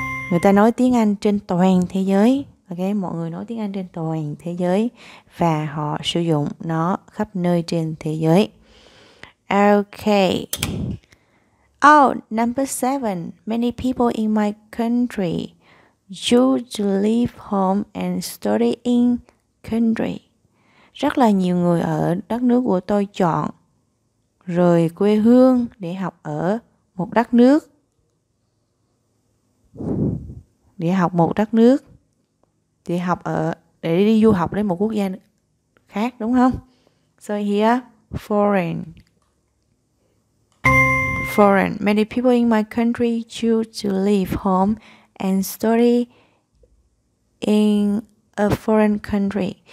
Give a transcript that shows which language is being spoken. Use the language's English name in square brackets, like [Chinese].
[Vietnamese] Người ta nói tiếng Anh trên toàn thế giới. Ok, mọi người nói tiếng Anh trên toàn thế giới và họ sử dụng nó khắp nơi trên thế giới. [English] Ok. Oh, number seven. Many people in my country choose to leave home and study in country. [Vietnamese] Rất là nhiều người ở đất nước của tôi chọn rời quê hương để học ở một đất nước. Để du học đến một quốc gia khác, đúng không? [English] So here, foreign. Foreign. Many people in my country choose to leave home and study in a foreign country.